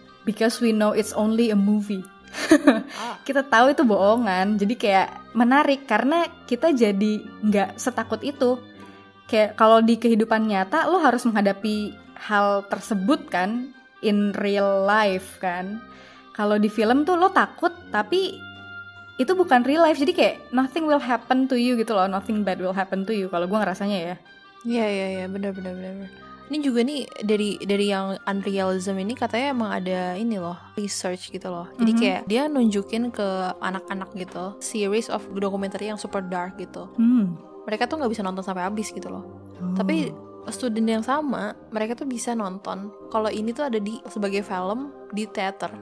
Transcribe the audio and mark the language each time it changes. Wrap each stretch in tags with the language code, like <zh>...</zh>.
<en>Because we know it's only a movie.</en> <id>Kita tahu itu bohongan. Jadi kayak menarik karena kita jadi nggak setakut itu. Kayak kalau di kehidupan nyata, lo harus menghadapi hal tersebut kan,</id> <en>in real life</en> <id>kan. Kalau di film tuh lo takut, tapi itu bukan real life. Jadi kayak</id> <en>nothing will happen to you</en> <id>gitu loh,</id> <en>nothing bad will happen to you.</en> <id>Kalau gue ngerasanya ya. Iya, benar. Ini juga nih dari yang unrealism ini katanya emang ada ini loh, research gitu loh. Jadi kayak dia nunjukin ke anak-anak gitu, series of dokumenter yang super dark gitu. Mereka tuh gak bisa nonton sampai habis gitu loh. Tapi student yang sama, mereka tuh bisa nonton kalau ini tuh ada di sebagai film di theater.</id>